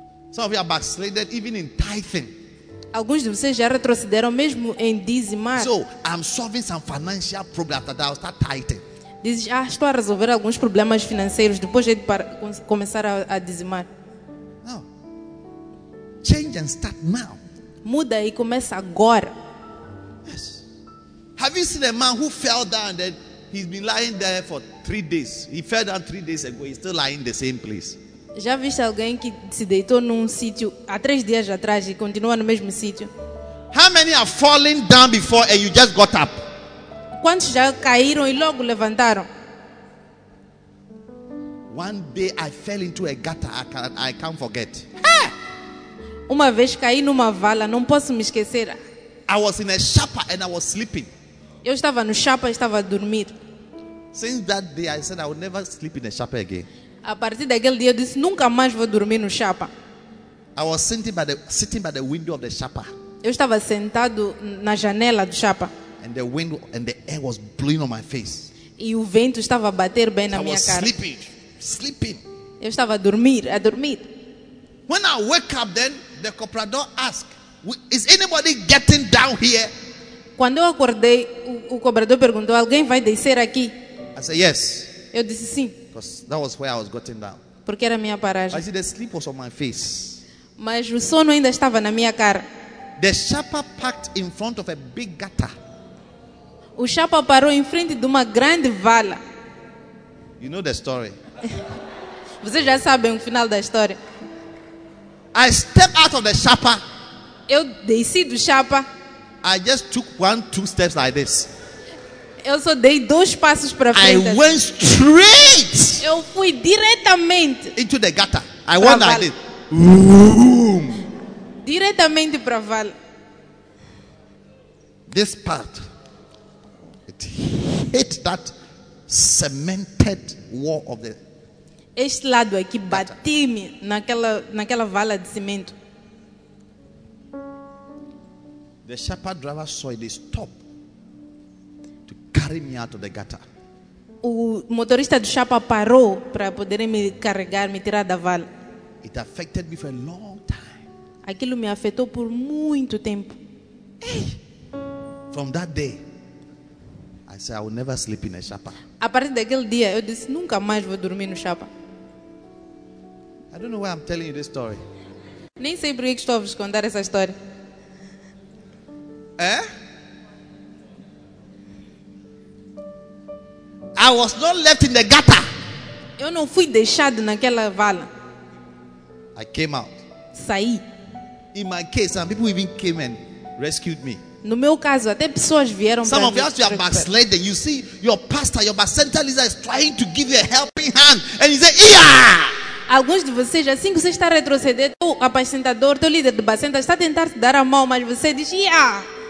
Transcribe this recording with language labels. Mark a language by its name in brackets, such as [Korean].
[English] Some of you are backslided even in tithing. [Portuguese] Alguns de vocês já retrocederam mesmo em dizimar. [English] So, I'm solving some financial problems. After that, I'll start tithing. [Portuguese] Diz, estou a resolver alguns problemas financeiros. Depois de começar a dizimar. [English] No. Change and start now. [Portuguese] Muda e começa agora. [English] Yes. Have you seen a man who fell down and he's been lying there for 3 days? He fell down 3 days ago, he's still lying in the same place. [Portuguese] Já viste alguém que se deitou num sítio há 3 dias atrás e continua no mesmo sítio? [English] How many have fallen down before and you just got up? [Portuguese] Quantos já caíram e logo levantaram? [English] One day I fell into a gutter I can't forget. [Portuguese] Uma vez caí numa vala, não posso me esquecer. [English] I was in a chapa and I was sleeping. [Portuguese] Eu estava no chapa, estava a dormir. [English] Since that day, I said I will never sleep in a chapa again. [Portuguese] A partir daquele dia, eu disse nunca mais vou dormir no chapa. [English] I was sitting by the window of the chapa. [Portuguese] Eu estava sentado na janela do chapa. [English] And the wind and the air was blowing on my face. [Portuguese] E o vento estava a bater bem na minha cara. [English] I was sleeping. sleeping. [Portuguese] Eu estava a dormir, a dormir. [English] When I wake up, then the comprador asked, "Is anybody getting down here?" [Portuguese] Quando eu acordei, o cobrador perguntou, "Alguém vai descer aqui?" [English] I said, "Yes." [Portuguese] Eu disse sim. [English] Because that was where I was getting down. [Portuguese] Porque era a minha paragem. [English] I see the sleep was on my face. [Portuguese] Mas o sono ainda estava na minha cara. [English] The shepherd parked in front of a big gutter. [Portuguese] O chapa parou em frente de uma grande vala. [English] You know the story. [Portuguese] Vocês já sabem o final da história. [English] I stepped out of the chapa. [Portuguese] Eu desci do chapa. [English] I just took one, two steps like this. [Portuguese] Eu só dei dois passos para frente. [English] I went straight. [Portuguese] Eu fui diretamente. [English] Into the gutter. I went like this. Vroom. [Portuguese] Diretamente para a vala. [English] This part. Hit that cemented wall of the. [Portuguese] Este lado aqui bati-me naquela vala de cimento. [English] The shepherd driver saw it, stopped to carry me out of the gutter. [Portuguese] O motorista do chapa parou para poder me carregar, me tirar da vala. [English] It affected me for a long time. [Portuguese] Aquilo me afetou por muito tempo. [English] Hey, from that day. I said, I will never sleep in a chapa. [Portuguese] A partir daquele dia, eu disse, nunca mais vou dormir no chapa. [English] I don't know why I'm telling you this story. [Portuguese] Nem sei por que estou a vos contar essa história. É? [English] I was not left in the gutter. [Portuguese] Eu não fui deixado naquela vala. [English] I came out. [Portuguese] Saí. [English] In my case, some people even came and rescued me. [Portuguese] No meu caso, até pessoas vieram para me recuperar. [English] Some of you are backslidden. You see, your pastor, your center leader is trying to give you a helping hand, and he say, "Yeah." [Portuguese] Alguns de vocês, assim que você está retrocedendo, o apacentador, teu líder do bacenta está tentando te dar a mão, mas você diz, "Yeah."